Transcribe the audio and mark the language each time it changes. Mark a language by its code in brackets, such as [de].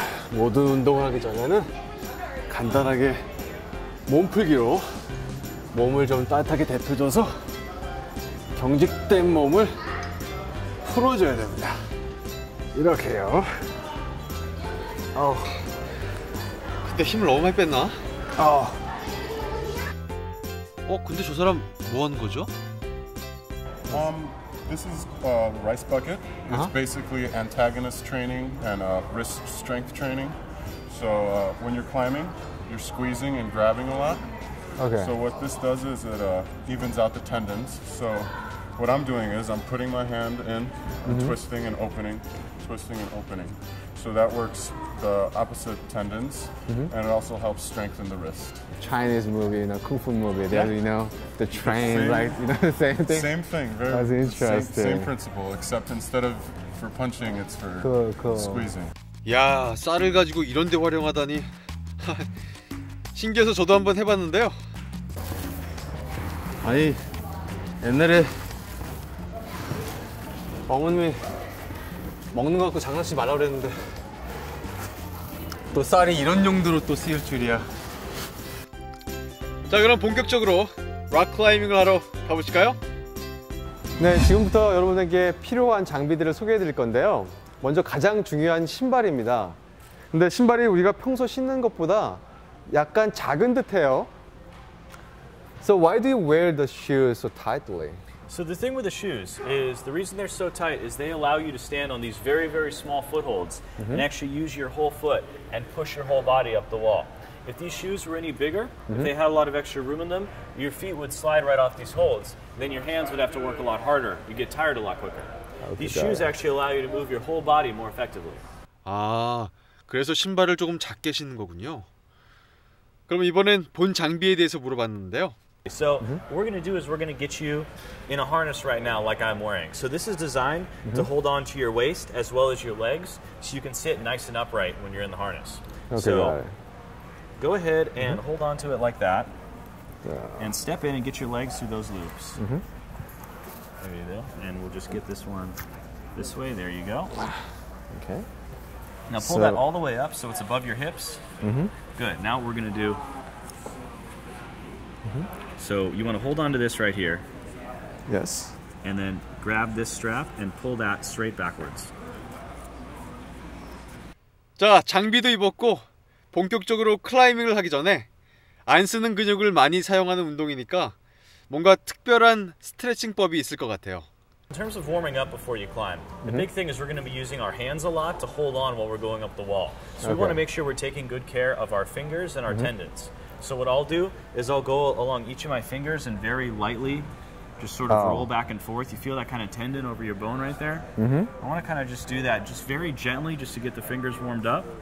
[ko] 모든 운동을 하기 전에는 간단하게 몸풀기로 몸을 좀 따뜻하게 데펴줘서 경직된 몸을 풀어줘야 됩니다. 이렇게요. 근데 힘을 너무 많이 뺐나? 근데 저 사람 뭐 하는 거죠? [en] This is a rice bucket. It's basically antagonist training and wrist strength training. So when you're climbing, you're squeezing and grabbing a lot. Okay. So what this does is it evens out the tendons. So what I'm doing is I'm putting my hand in and twisting and opening, twisting and opening. So that works the opposite tendons, and it also helps strengthen the wrist. Chinese movie, you know, kung fu movie, there, you know, the train, like, you know, the same thing? Same thing, very That's interesting. Same principle, except instead of for punching, it's for squeezing. [ko] 야, 쌀을 가지고 이런 데 활용하다니. 신기해서 저도 한번 해봤는데요. 아니, 옛날에 어머님이 먹는 거 갖고 장난치지 말라고 그랬는데 또 쌀이 이런 용도로 또 쓰일 줄이야. 자, 그럼 본격적으로 락클라이밍을 하러 가보실까요? 네, 지금부터 여러분에게 필요한 장비들을 소개해드릴 건데요. 먼저 가장 중요한 신발입니다. 근데 신발이 우리가 평소 신는 것보다 약간 작은 듯해요. [en] So why do you wear the shoes so tightly? So the thing with the shoes is the reason they're so tight is they allow you to stand on these very, very small footholds and actually use your whole foot and push your whole body up the wall. If these shoes were any bigger, if they had a lot of extra room in them, your feet would slide right off these holds. Then your hands would have to work a lot harder. You'd get tired a lot quicker. These shoes actually allow you to move your whole body more effectively. [ko] 아, 그래서 신발을 조금 작게 신는 거군요. 그럼 이번엔 본 장비에 대해서 물어봤는데요. [en] So what we're going to do is we're going to get you in a harness right now like I'm wearing. So this is designed to hold on to your waist as well as your legs so you can sit nice and upright when you're in the harness. Okay, so go ahead and hold on to it like that and step in and get your legs through those loops. There you go. And we'll just get this one this way. There you go. Okay. Now pull that all the way up so it's above your hips. Good. Now what we're going to do... So you want to hold on to this right here. Yes. And then grab this strap and pull that straight backwards. [ko] 자, 장비도 입었고 본격적으로 클라이밍을 하기 전에 안 쓰는 근육을 많이 사용하는 운동이니까 뭔가 특별한 스트레칭법이 있을 것 같아요. [en] In terms of warming up before you climb, the big thing is we're going to be using our hands a lot to hold on while we're going up the wall. So we want to make sure we're taking good care of our fingers and our tendons. So what I'll do is I'll go along each of my fingers and very lightly just sort of roll back and forth. You feel that kind of tendon over your bone right there? I want to kind of just do that just very gently just to get the fingers warmed up.